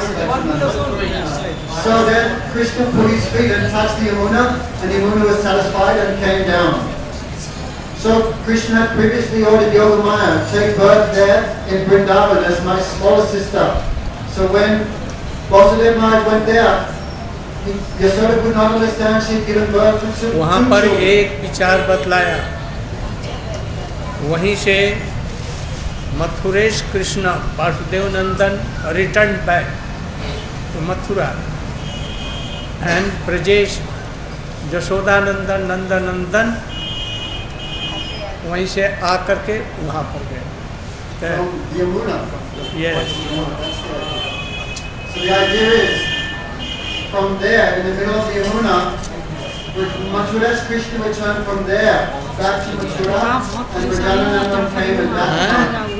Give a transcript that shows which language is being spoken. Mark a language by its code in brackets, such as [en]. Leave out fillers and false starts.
[en] So then Krishna put his feet and touched the Yamuna, and the Yamuna was satisfied and came down. So Krishna had previously ordered Yogamaya to take birth there in Vrindavan as my smaller sister. So when Vasudev Maharaj went there, Yashoda could not understand she had given birth to two [hi] वहाँ पर एक विचार बतलाया, वहीं से मथुरेश कृष्णा वासुदेव नंदन [en] returned back to Mathura. [hi] And Prajesh, Yashodanandan, Nandanandan, वहीं से आ करके वहाँ पर गए। [en] Yes. So the idea is, from there, in the middle of the Yamuna, Mathuresh Krishna returned from there, back to Mathura, and Vrindavanandan came and back.